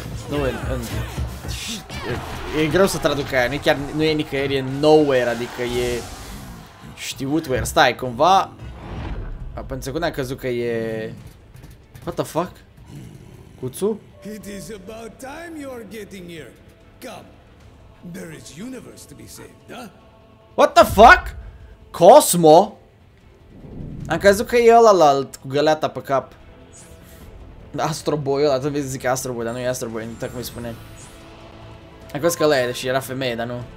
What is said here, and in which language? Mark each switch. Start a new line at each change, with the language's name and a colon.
Romanian: Nu, e greu să traduc aia, nu e, chiar, nu e nicăieri, e nowhere, adică e știut where. Stai, cumva, pe-n secundă am căzut că e...
English: What the fuck? Cuțu? It is about time you are getting here. Come, there is universe to be saved, huh? What the fuck? Cosmo?
Romanian: Am căzut că e ălalalt cu găleata pe cap. Astro Boy ăla, tot vezi zic Astro Boy, dar nu e Astro Boy, nu uitat cum îi spune. Am crezut că ăla e, deși era femeie, dar nu.